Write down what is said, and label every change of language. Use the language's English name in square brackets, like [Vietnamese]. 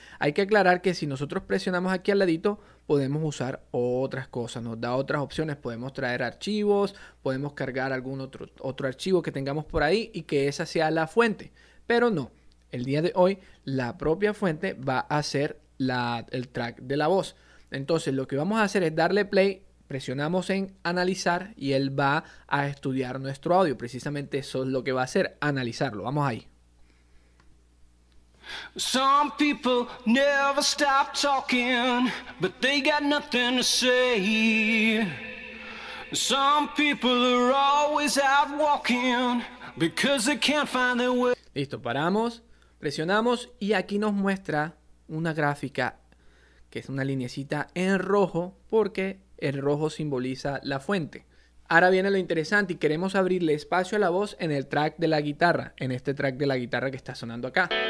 [Spanish] Hay que aclarar que si nosotros presionamos aquí al ladito, podemos usar otras cosas, nos da otras opciones, podemos traer archivos, podemos cargar algún otro archivo que tengamos por ahí y que esa sea la fuente. Pero no, el día de hoy la propia fuente va a ser el track de la voz. Entonces lo que vamos a hacer es darle play, presionamos en analizar y él va a estudiar nuestro audio. Precisamente eso es lo que va a hacer, analizarlo. Vamos ahí. [English] Some people never stop talking, but they got nothing to say. Some people are always out walking because they can't find their way. [Spanish] Listo, paramos, presionamos y aquí nos muestra una gráfica que es una linecita en rojo porque el rojo simboliza la fuente. Ahora viene lo interesante y queremos abrirle espacio a la voz en el track de la guitarra, en este track de la guitarra que está sonando acá.